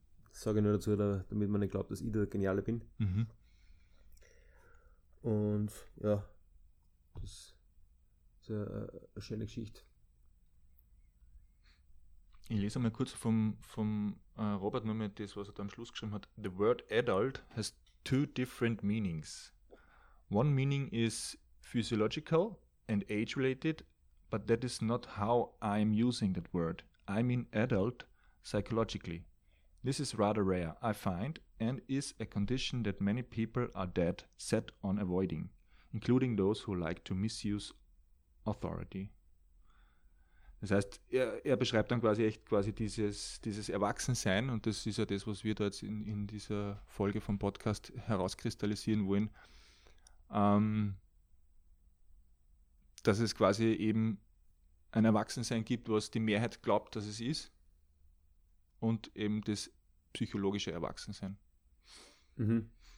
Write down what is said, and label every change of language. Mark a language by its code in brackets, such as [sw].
[de] Sage ich nur dazu, damit man nicht glaubt, dass ich der Geniale bin. Mhm. Und ja, das ist eine schöne Geschichte. Ich lese mal kurz vom Robert nur mal das, was er da am Schluss geschrieben hat. [en] The word adult has two different meanings. One meaning is physiological and age-related, but that is not how I'm using that word. I mean adult psychologically. This is rather rare, I find, and is a condition that many people are dead set on avoiding, including those who like to misuse authority. [de] Das heißt, er beschreibt dann quasi echt quasi dieses Erwachsensein, und das ist ja das, was wir da jetzt in dieser Folge vom Podcast herauskristallisieren wollen, dass es quasi eben ein Erwachsensein gibt, was die Mehrheit glaubt, dass es ist, und eben das psychologische Erwachsensein. Mhm.